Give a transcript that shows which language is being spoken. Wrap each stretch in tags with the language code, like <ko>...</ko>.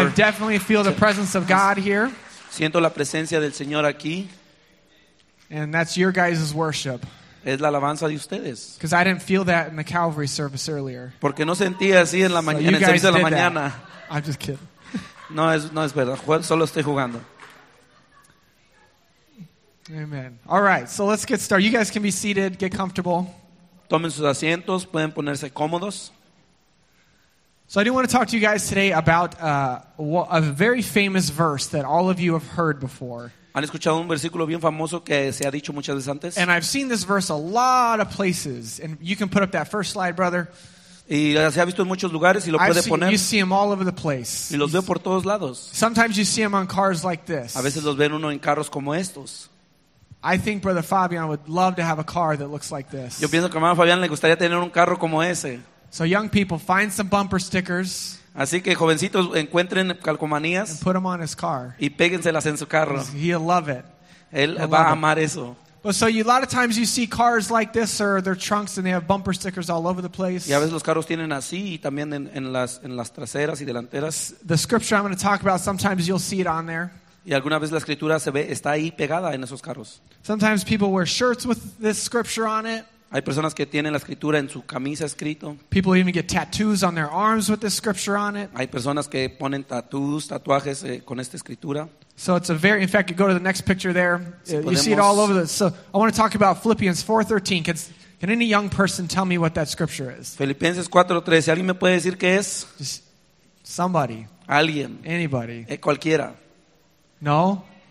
<en>I definitely feel the presence of God here.</en> <es>Siento la presencia del Señor aquí.</es> <en>And that's your guys' worship.</en> <es>Es la alabanza de ustedes.</es> <en>Because I didn't feel that in the Calvary service earlier.</en> <es>Porque no sentí así en la mañana, en el servicio de la mañana.</es> <en>I'm just kidding.</en> <es>No es verdad. Solo estoy jugando.</es> <en>Amen. All right, so let's get started. You guys can be seated. Get comfortable.</en> <es>Tomen sus asientos, pueden ponerse cómodos.</es> <en>So I do want to talk to you guys today about a very famous verse that all of you have heard before.</en> <es>¿Han escuchado un versículo bien famoso que se ha dicho muchas veces antes?</es> <en>And I've seen this verse a lot of places. And you can put up that first slide, brother.</en> <es>Y se ha visto en muchos lugares y lo puede poner.</es> <en>You see them all over the place.</en> <es>Y los veo por todos lados.</es> <en>Sometimes you see them on cars like this.</en> <es>A veces los ven uno en carros como estos.</es> <en>I think Brother Fabian would love to have a car that looks like this.</en> <es>Yo pienso que a hermano Fabián le gustaría tener un carro como ese.</es> <en>So young people, find some bumper stickers.</en> <es>Así que jovencitos, encuentren calcomanías.</es> <en>And put them on his car.</en> <es>Y péguenselas en su carro.</es> <en>He'll love it.</en> <es>Él</es> <en>he'll va love a amar it. Eso. But so a lot of times you see cars like this, or their trunks, and they have bumper stickers all over the place.</en> <es>Y a veces los carros tienen así, y también en las traseras y delanteras.</es> <en>The scripture I'm going to talk about, sometimes you'll see it on there.</en> <es>Y alguna vez la escritura se ve, está ahí pegada en esos carros.</es> <en>Sometimes people wear shirts with this scripture on it.</en> <es>Hay personas que tienen la escritura en su camisa escrito.</es> <en>People even get tattoos on their arms with this scripture on it.</en> <es>Hay personas que ponen tatuajes con esta escritura.</es> <en>So it's a very, in fact, you go to the next picture there. You see it all over the, so I want to talk about Philippians 4:13. Can any young person tell me what that scripture is?</en> <es>Filipenses 4:13. ¿Alguien me puede decir qué es?</es> <en>Just somebody.</en> <es>Alguien.</es> <en>Anybody.</en> <es>Cualquiera. No.</es>